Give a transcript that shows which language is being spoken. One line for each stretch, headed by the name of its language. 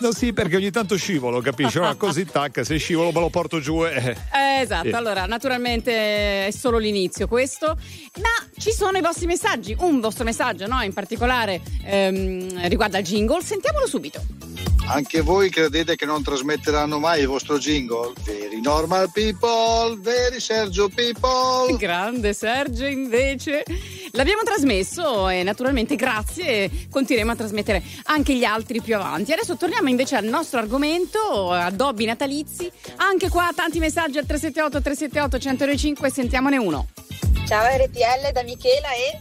Italian: No sì, perché ogni tanto scivolo, capisci? No, così tac, se scivolo me lo porto giù e... Esatto, allora naturalmente è solo l'inizio questo, ma ci sono i vostri messaggi, un vostro messaggio, no? In particolare riguarda il jingle, sentiamolo subito. Anche voi credete che non trasmetteranno mai il vostro jingle?
English: Very normal people, very Sergio people.
Italian: Grande Sergio invece. L'abbiamo trasmesso e naturalmente grazie, continueremo a trasmettere anche gli altri più avanti. Adesso torniamo invece al nostro argomento, a Dobby Natalizi. Anche qua tanti messaggi al 378-378-105, sentiamone uno. Ciao RTL, da Michela e...